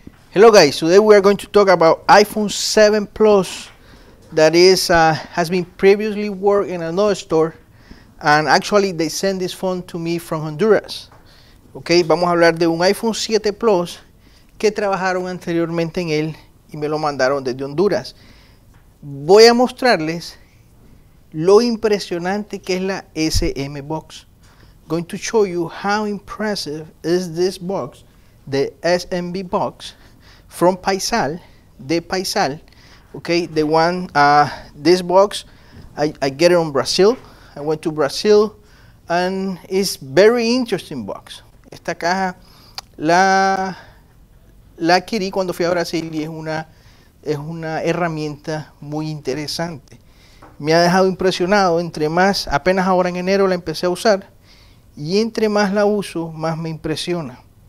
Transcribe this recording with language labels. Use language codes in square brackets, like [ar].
[en] Hello guys, today we are going to talk about iPhone 7 Plus that is has been previously worked in another store, and actually they sent this phone to me from Honduras. [es] Okay, vamos a hablar de un iPhone 7 Plus que trabajaron anteriormente en él y me lo mandaron desde Honduras. Voy a mostrarles lo impresionante que es la SM Box. [en] Going to show you how impressive is this box, the SMB Box. From Paisal, [es] de Paisal, [en] okay, the one, this box, I get it in Brazil. I went to Brazil, and it's very interesting box. [es] Esta caja la adquirí cuando fui a Brasil y es una herramienta muy interesante. Me ha dejado impresionado, entre más, apenas ahora en enero la empecé a usar, y entre más la uso, más me impresiona.